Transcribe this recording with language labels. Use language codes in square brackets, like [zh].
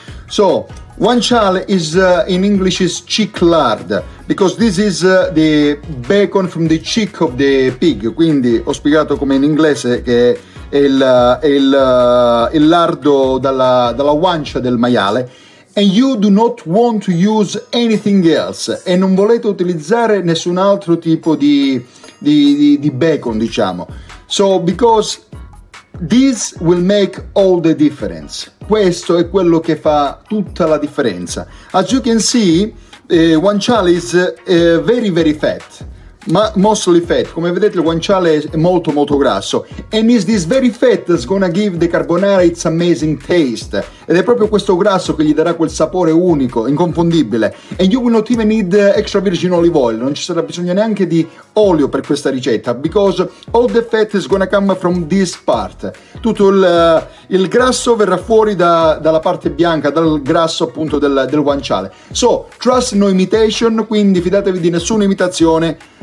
[en] So, guanciale is in English is cheek lard, because this is the bacon from the cheek of the pig. [it] Quindi ho spiegato come in inglese che è il lardo dalla guancia del maiale. [en] And you do not want to use anything else. [it] E non volete utilizzare nessun altro tipo di bacon, diciamo. [en] So, because this will make all the difference. [it] Questo è quello che fa tutta la differenza. [en] As you can see, guanciale is very, very fat. Mostly fat. [it] Come vedete, il guanciale è molto, molto grasso. [en] And is this very fat that's gonna give the carbonara its amazing taste. [it] Ed è proprio questo grasso che gli darà quel sapore unico, inconfondibile. [en] And you will not even need extra virgin olive oil. [it] Non ci sarà bisogno neanche di olio per questa ricetta. [en] Because all the fat is gonna come from this part. [it] Tutto il grasso verrà fuori dalla parte bianca, dal grasso appunto del guanciale. [en] So, trust no imitation, [it] quindi fidatevi di nessuna imitazione.